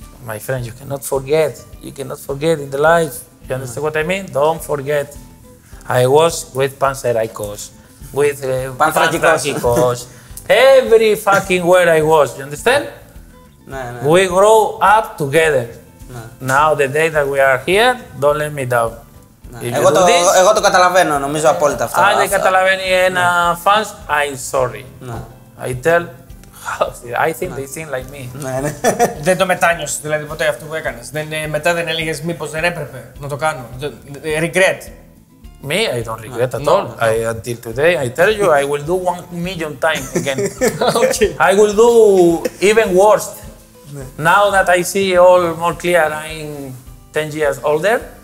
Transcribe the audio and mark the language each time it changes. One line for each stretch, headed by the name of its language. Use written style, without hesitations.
English: My friend, you cannot forget. You cannot forget in the life. You understand what I mean? Don't forget. I was with Panseraikos. With Panthrakikos. Every fucking where I was, you understand? We grow up together. Now the day that we are here, don't let me down.
Greek: Εγώ το καταλαβαίνω, νομίζω απόλυτα αυτό. Αν δεν καταλαβαίνει ένα fans,
English: I'm sorry. I tell, I think they think like me.
Greek: Δεν το μετάνιωσες δηλαδή ποτέ αυτό που έκανες. Μετά δεν έλεγες μήπως δεν έπρεπε να το κάνω.
English: Regret. Me, I don't regret at all. No. Until today, I tell you, I will do 1,000,000 times again. Okay. I will do even worse. Now that I see all more clear, I'm 10 years older.